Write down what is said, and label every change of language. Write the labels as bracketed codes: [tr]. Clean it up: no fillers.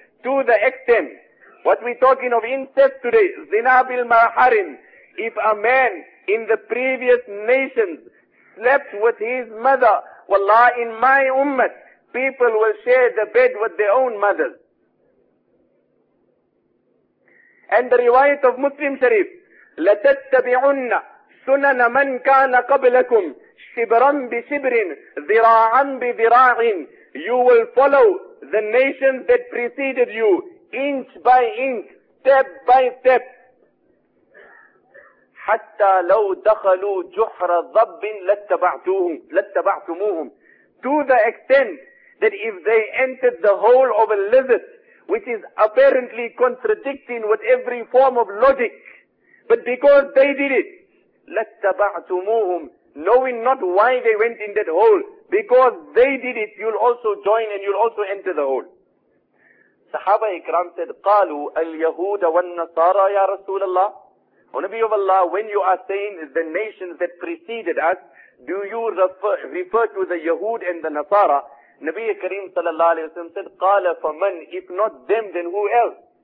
[en] To the extent, what we're talking of incest today, zina bil maharim. If a man in the previous nations slept with his mother, wallah, in my ummah, people will share the bed with their own mothers. And the riwayat of Muslim Sharif, [ar] لَتَتَّبِعُنَّ سُنَنَ مَنْ كَانَ قَبْلَكُمْ شِبْرًا بِشِبْرٍ ذِرَاعًا بِذِرَاعٍ. [en] You will follow the nations that preceded you, inch by inch, step by step. [ar] حتى لو دخلوا جحر ضب لاتبعتموهم. [en] To the extent that if they entered the hole of a lizard, which is apparently contradicting with every form of logic, but because they did it, لاتبعتموهم, knowing not why they went in that hole, because they did it, you'll also join and you'll also enter the hole. Sahaba Ikram said, [ar] قالوا اليهود والنصارى يا رسول الله. [en] O Nabi of Allah, when you are saying the nations that preceded us, do you refer to the Yahud and the Nasara? Nabi Kareem sallallahu alayhi wa sallam said, [ar] قَالَ فَمَنْ [en] If not them, then who else?